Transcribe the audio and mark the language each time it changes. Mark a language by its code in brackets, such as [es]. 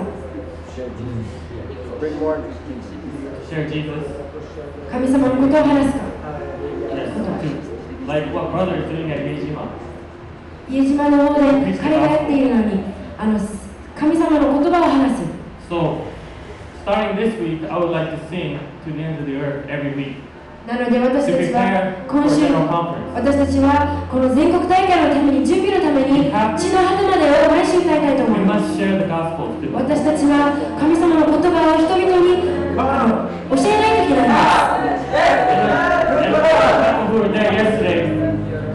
[en] Share Jesus. [ja] 神様のことを話すか。 [en] Yes. Like what brother is doing at Miejima. [ja] 比江島の方で彼がやっているのに、あの神様の言葉を話す。 [en] So, starting this week, I would like to sing to the ends of the earth every week. [ja] なので私たちは今週、私たちはこの全国大会のために、準備のために地の果てまで毎週歌いたいと思います。私たちは神様の言葉を人々に教えないといけないんです。